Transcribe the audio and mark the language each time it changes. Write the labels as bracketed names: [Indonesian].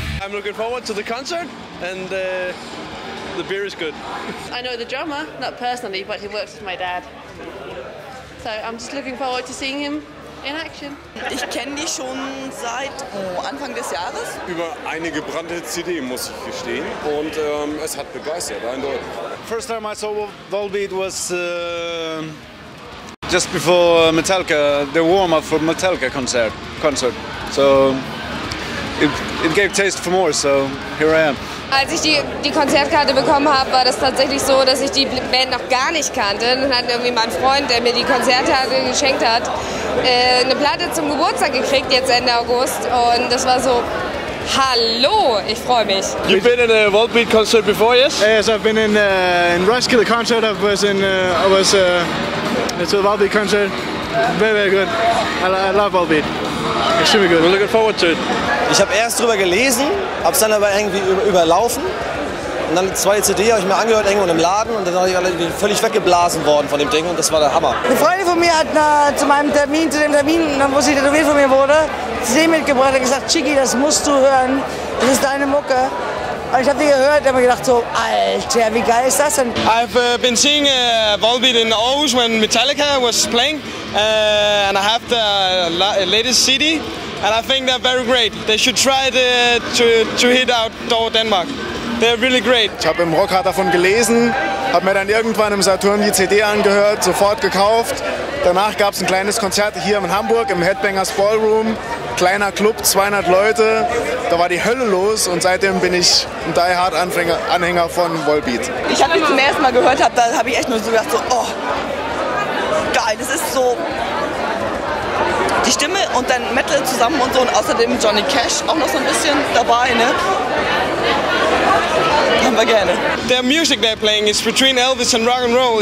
[English] Looking forward to the concert, and the beer is good. I know the drummer, not personally, but he works with my dad. So I'm just looking forward to seeing him in action. [German] Ich kenne die schon seit Anfang des Jahres. Über eine gebrannte CD, muss ich gestehen, und es hat begeistert, eindeutig. [English] First time I saw Volbeat was just before Metallica, the warm-up for Metallica concert. So. It gave taste for more, so here I am. [German] Als ich die Konzertkarte bekommen habe, war das tatsächlich so, dass ich die Band noch gar nicht kannte. Dann hat irgendwie mein Freund, der mir die Konzertkarte geschenkt hat, eine Platte zum Geburtstag gekriegt, jetzt Ende August. Und das war so, hallo, ich freue mich. [English] You've been in a Volbeat concert before, yes? Yes, I've been in Roskilde concert. It's a Volbeat concert. Very, very good. I love Volbeat. Extremely good. We're looking forward to it. [German] Ich habe erst drüber gelesen, hab's dann aber irgendwie überlaufen. Und dann zwei CD habe ich mir angehört irgendwo im Laden und dann war ich völlig weggeblasen worden von dem Ding und das war der Hammer. Eine Freundin von mir hat zu dem Termin, wo sie tätowiert von mir wurde, sie mitgebracht und gesagt, Chiki, das musst du hören, das ist deine Mucke. Und ich habe die gehört und habe gedacht so, Alter, wie geil ist das denn? [English] I've been seeing Volbeat in Aarhus when Metallica was playing and I have the latest CD. And I think they're very great. They should try to hit outdoor Denmark. They're really great. [German] Ich habe im Rockhard davon gelesen, habe mir dann irgendwann im Saturn die CD angehört, sofort gekauft Danach gab es ein kleines Konzert hier in Hamburg im Headbangers Ballroom. Kleiner Club, 200 Leute. Da war die Hölle los und seitdem bin ich ein Die-Hard-Anhänger von Volbeat. Ich habe mich zum ersten Mal gehört, da habe ich echt nur so gedacht, so, oh, geil, das ist so... Die Stimme und dann Metal zusammen und so und außerdem Johnny Cash auch noch so ein bisschen dabei, ne? Haben wir gerne. [English] Their music they're playing is between Elvis and rock and roll.